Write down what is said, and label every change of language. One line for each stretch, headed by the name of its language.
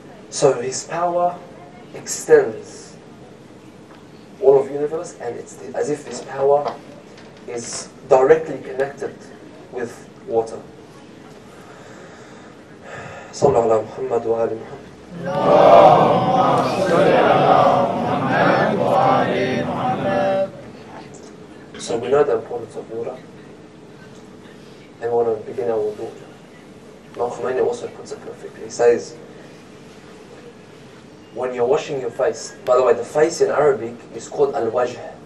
English: So his power extends all of universe, and it's as if his power is directly connected with water.
Arabic: صلى الله على محمد وآل محمد. اللهم صل على محمد وآل محمد.
English: So we know the importance of water. And we want to begin our wudu. Imam Khomeini also puts it perfectly. He says, when you're washing your face, by the way, the face in Arabic is called al-wajh.